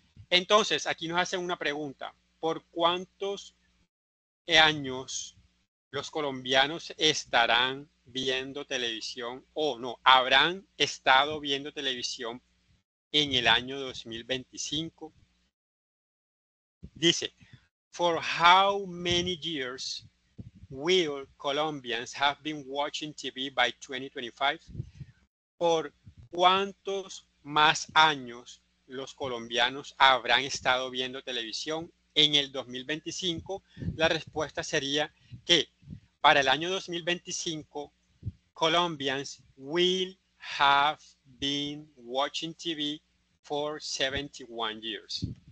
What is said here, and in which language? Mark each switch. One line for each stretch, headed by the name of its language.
Spanish: Entonces, aquí nos hacen una pregunta. ¿Por cuántos años los colombianos estarán viendo televisión habrán estado viendo televisión en el año 2025?
English: Dice, for how many years will Colombians have been watching TV by 2025?
Spanish: ¿Por cuántos más años los colombianos habrán estado viendo televisión en el 2025? La respuesta sería que para el año 2025,
English: Colombians will have been watching TV for 71 years.